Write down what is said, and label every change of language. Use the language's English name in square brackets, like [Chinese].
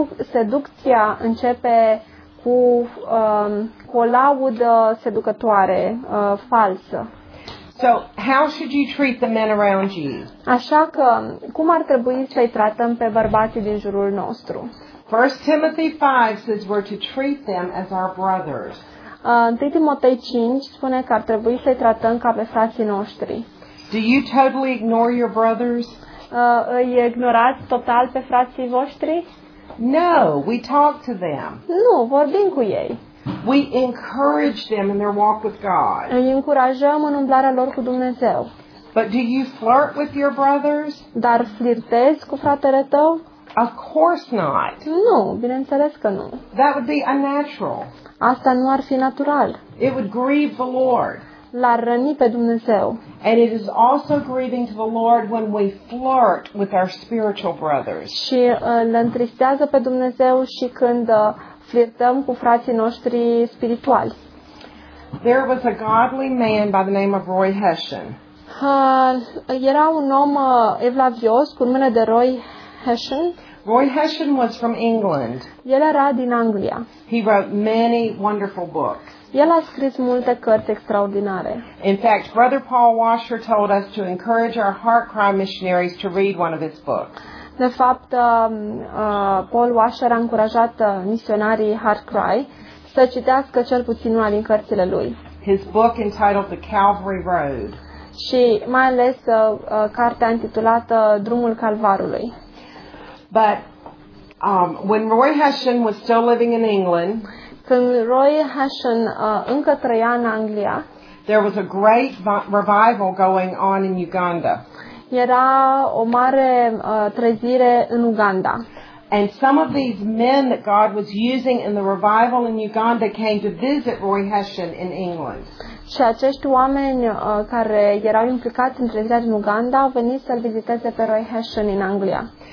[Romanian] Seducția începe cu o laudă seducătoare, falsă. [English] So, how should you treat the men around you? [Romanian] Așa că cum ar trebui să-i tratăm pe bărbații din jurul nostru? [English] 1 Timothy 5 says we're to treat them as our brothers. [Romanian] 1 Timotei 5 spune că ar trebui să-i tratăm ca pe frații noștri. [English] Do you totally ignore your brothers? [Romanian] Îi ignorați total pe frații voștri? [English] No, we talk to them. [Romanian] Nu, vorbim cu ei. [English] We encourage them in their walk with God. [Romanian] Îi încurajăm în umblarea lor cu Dumnezeu. [English] But do you flirt with your brothers? [Romanian] Dar flirtezi cu fratele tău? [English] Of course not. [Romanian] Nu, bineînțeles că nu. [English] That would be unnatural. [Romanian] Asta nu ar fi natural. [English] It would grieve the Lord. [Romanian] L-ar răni pe Dumnezeu. [English] And it is also grieving to the Lord when we flirt with our spiritual brothers. [Romanian] Și ne întristează pe Dumnezeu și când flirtăm cu frații noștri spirituali. [English] There was a godly man by the name of Roy Hessian. [Romanian] Era un om evlavios cu numele de Roy Hessian. [English] Roy Hessian was from England. [Romanian] El era din Anglia. [English] He wrote many wonderful books. [Romanian] El a scris multe cărți extraordinare. [English] In fact, Brother Paul Washer told us to encourage our heart cry missionaries to read one of his books. [Romanian] De fapt, Paul Washer a încurajat misionarii Heart Cry să citească cel puțin una din cărțile lui. [English] His book entitled The Calvary Road. [Romanian] Și mai ales cartea intitulată Drumul Calvarului. [English] But when Roy Hessian was still living in England, [Romanian] când Roy Hessian încă trăia în Anglia, [English] there was a great revival going on in Uganda. [Romanian] Era o mare trezire în Uganda. [English] And some of these men that God was using in the revival in Uganda came to visit Roy Hessian in England. [Romanian] Și acești oameni care erau implicați în trezirea din Uganda au venit să-l viziteze pe Roy Hessian în Anglia.